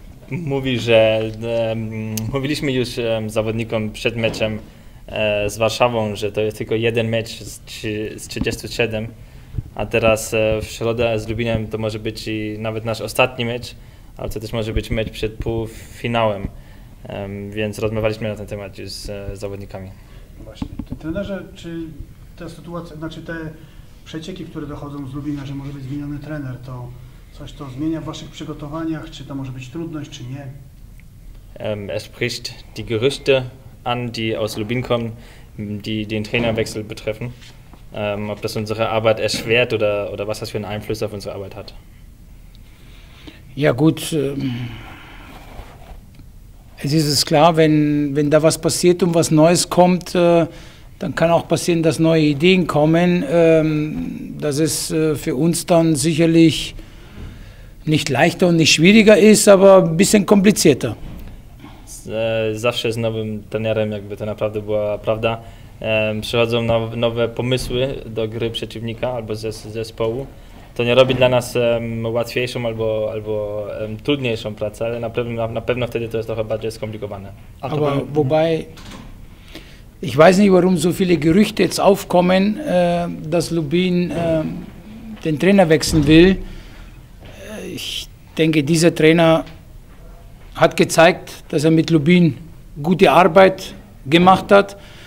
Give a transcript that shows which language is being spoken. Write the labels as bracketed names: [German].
[Polish] Mówi, że mówiliśmy już zawodnikom przed meczem z Warszawą, że to jest tylko jeden mecz z 37, a teraz w środę z Lubinem to może być i nawet nasz ostatni mecz, ale to też może być mecz przed półfinałem, więc rozmawialiśmy na ten temat już z zawodnikami. Właśnie. Ty, trenerze, czy ta sytuacja, znaczy te przecieki, które dochodzą z Lubina, że może być zmieniony trener, to coś to zmienia w waszych przygotowaniach, czy to może być trudność, czy nie? [German] Er spricht die Gerüchte an, die aus Lubin kommen, die den Trainerwechsel betreffen. Ob das unsere Arbeit erschwert oder was das für einen Einfluss auf unsere Arbeit hat. Ja gut, es ist es klar, wenn da was passiert und was Neues kommt, dann kann auch passieren, dass neue Ideen kommen. Das ist für uns dann sicherlich nicht leichter und nicht schwieriger ist, aber ein bisschen komplizierter. [Polish] Zawsze z nowym trenerem, jakby to naprawdę była prawda, przychodzą nowe pomysły do gry przeciwnika albo zespołu. To nie robi dla nas łatwiejszą albo trudniejszą pracę, ale na pewno wtedy to jest trochę bardziej skomplikowane. [German] Wobei, ich weiß nicht, warum so viele Gerüchte jetzt aufkommen, dass Lubin den Trainer wechseln will. Ich denke, dieser Trainer hat gezeigt, dass er mit Lubin gute Arbeit gemacht hat.